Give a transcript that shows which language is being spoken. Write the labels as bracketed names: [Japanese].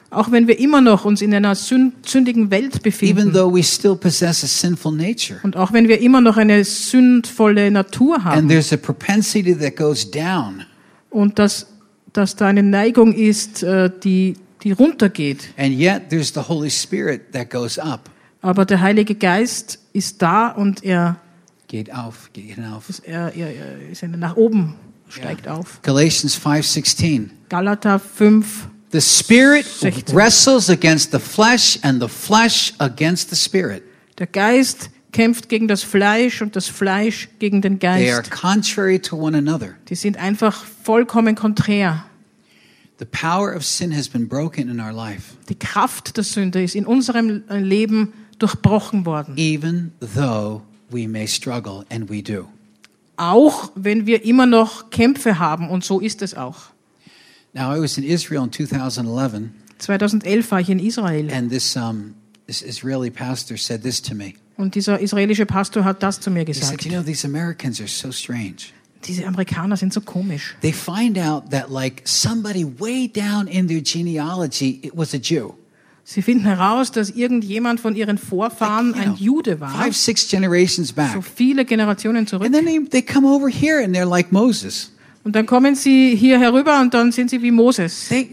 [German] Auch wenn wir immer noch uns in einer sündigen Welt befinden. [English] Even though we still possess a sinful nature. [German] Und auch wenn wir immer noch eine sündvolle Natur haben. [English] And there's a propensity that goes down. [German] Und dass da eine Neigung ist, die runtergeht. [English] And yet there's the Holy Spirit that goes up. [German] Aber der Heilige Geist ist da und er geht hinauf. Ist nach oben steigt auf. [English] Galatians 5:16. [German] Galater 5. [English] The Spirit 16. Wrestles against the flesh and the flesh against the Spirit. [German] Der Geist kämpft gegen das Fleisch und das Fleisch gegen den Geist. [English] They are contrary to one another. [German] Die sind einfach vollkommen konträr. [English] The power of sin has been broken in our life. [German] Die Kraft der Sünde ist in unserem Leben durchbrochen worden. [English] Even though we may struggle, and we do. [German] Auch wenn wir immer noch Kämpfe haben, und so ist es auch. [English] Now I was in Israel in 2011. [German] 2011 war ich in Israel. [English] And this Israeli pastor said this to me. [German] Und dieser israelische Pastor hat das zu mir gesagt. [English] He said, you know, these Americans are so strange. [German] Diese Amerikaner sind so komisch. [English] They find out that like somebody way down in their genealogy, it was a Jew. [German] Sie finden heraus, dass irgendjemand von ihren Vorfahren [English] like, you know, [German] ein Jude war. [English] 5-6 generations back. [German] So viele Generationen zurück. [English] And then they come over here and they're like Moses. [German] Und dann kommen sie hier herüber und dann sind sie wie Moses.